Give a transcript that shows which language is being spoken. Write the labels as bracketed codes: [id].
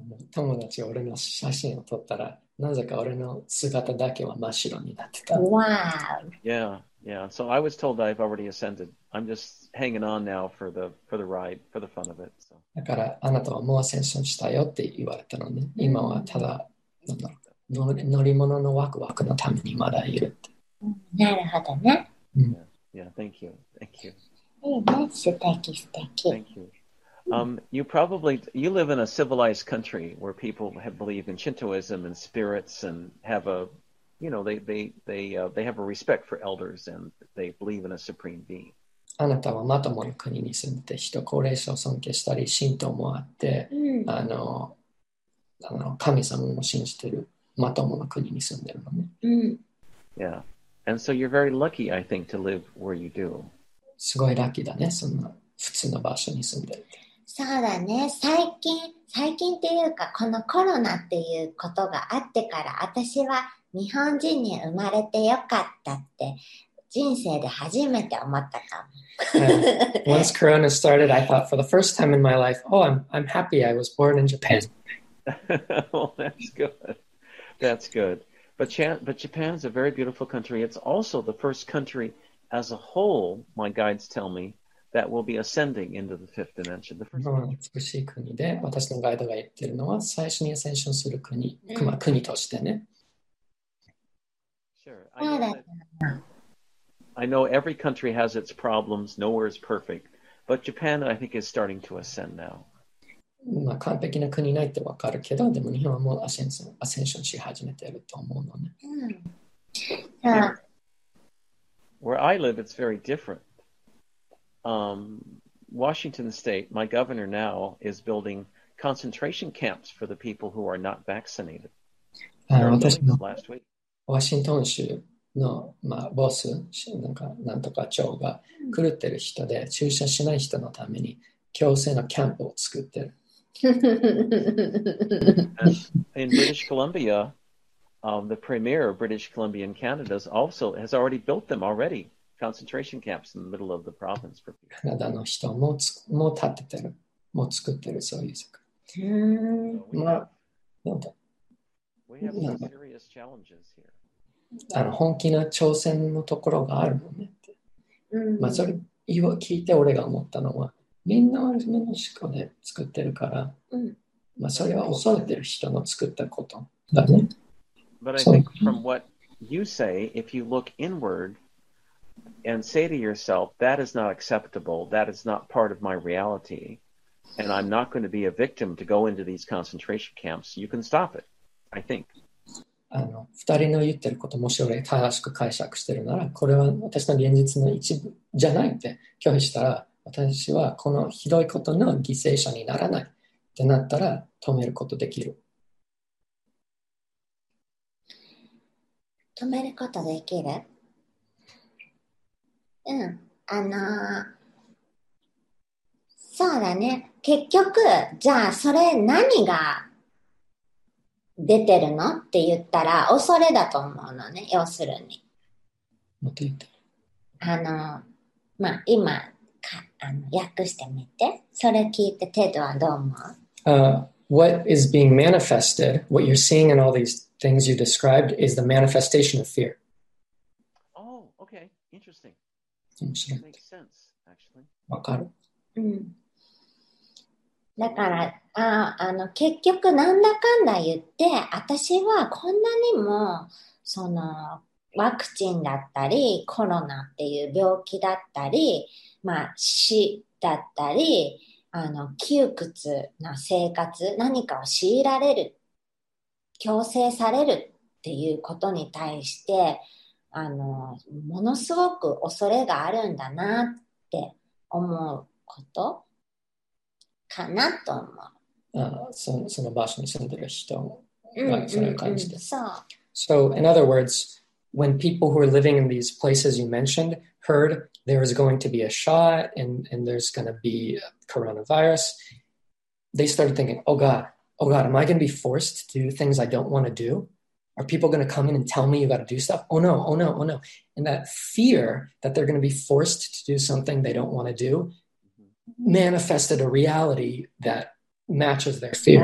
[ja] 友達が俺の写真を撮ったら、なぜか俺の姿だけは真っ白になってた。 [en] Wow. Yeah. So I was told I've already ascended. I'm just hanging on now for the ride, for the fun of it. So. [ja] だからあなたはもうアセンションしたよって言われたのね。今はただ乗り物のワクワクのためにまだいるって。なるほどね。 [en] Yeah, thank you. Thank you. That's lucky, lucky. Thank you. You live in a civilized country where people have believed in Shintoism and spirits and have a, you know, they have a respect for elders and they believe in a supreme being. [ja] あなたはまともに国に住んで人、高齢者を尊敬したり、神道もあって、あの神様も信じてる、まともな国に住んでるのね。 [en] Yeah. And so you're very lucky, I think, to live where you do. [ja] すごいラッキーだね、そんな普通の場所に住んでるって。そうだね、最近っていうか、このコロナっていうことがあってから、私は日本人に生まれてよかったって、人生で初めて思ったかも。 [en] Once Corona started, I thought for the first time in my life, oh, I'm happy I was born in Japan. Well, that's good. That's good. But Japan is a very beautiful country. It's also the first country as a whole, my guides tell me, that will be ascending into the fifth dimension. The first dimension. Sure. I know every country has its problems. Nowhere is perfect. But Japan, I think, is starting to ascend now. [ja] まあ、完璧な国ないってわかるけど、でも日本はもうアセンションし始めてると思うのね。 [en] Where I live, it's very different. Washington State, my governor now, is building concentration camps for the people who are not vaccinated. [ja] 私の [en] last week. [ja] ワシントン州の、まあ、ボス、なんとか長が狂ってる人で、注射しない人のために強制のキャンプを作ってる。 [en] In British Columbia, the premier of British Columbia in Canada also has already built them already, concentration camps in the middle of the province. [ja] Canada の人も建ててる、もう作ってる、そういう作。 [en] So we have some serious challenges here. [ja] あの本気な挑戦のところがあるもんねって。まあそれ言を聞いて俺が思ったのは、みんなはメキシコで作ってるから、まあ、それは恐れてる人の作ったことだね。 [en] But I think from what you say, if you look inward and say to yourself, that is not acceptable, that is not part of my reality, and I'm not going to be a victim to go into these concentration camps, you can stop it, I think. [ja] あの、二人の言ってることもし俺正しく解釈してるなら、これは私の現実の一部じゃないって拒否したら、私はこのひどいことの犠牲者にならないってなったら止めることできる。止めることできる？うん、そうだね。結局、じゃあそれ何が出てるのって言ったら恐れだと思うのね。要するに。もっと言って。まあ今。訳してみて。それ聞いてテッドはどう思う？ [en] What is being manifested, what you're seeing in all these things you described, is the manifestation of fear. Oh, okay, interesting. [ja] 面白い。 [en] That makes sense, actually. [ja] わかる。だから、結局なんだかんだ言って、私はこんなにもそのワクチンだったり、コロナっていう病気だったり、まあ、死だったり、窮屈な生活、何かを強いられる、強制されるっていうことに対して、ものすごく恐れがあるんだなって思うことかなと思う。その場所に住んでる人がそれを感じて。そう。 [en] So, in other words,when people who are living in these places you mentioned heard there is going to be a shot and there's going to be a coronavirus, they started thinking, oh God, am I going to be forced to do things I don't want to do? Are people going to come in and tell me you got to do stuff? Oh no. And that fear that they're going to be forced to do something they don't want to do manifested a reality that matches their fear.